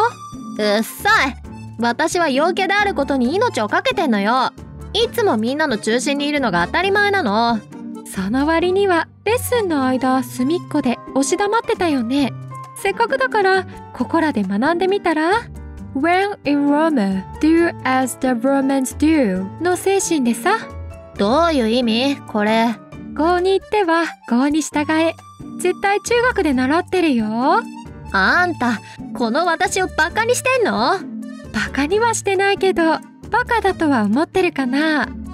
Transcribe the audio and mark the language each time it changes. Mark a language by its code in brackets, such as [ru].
[ja] うっさい、私は陽キャであることに命をかけてんのよ。いつもみんなの中心にいるのが当たり前なの。その割にはレッスンの間隅っこで押し黙ってたよね。せっかくだからここらで学んでみたら。 [en] When in Rome, do as the Romans do [ja] の精神でさ。どういう意味これ？郷に行っては郷に従え、絶対中学で習ってるよ。あんたこの私をバカにしてんの？バカにはしてないけど、バカだとは思ってるかな。は？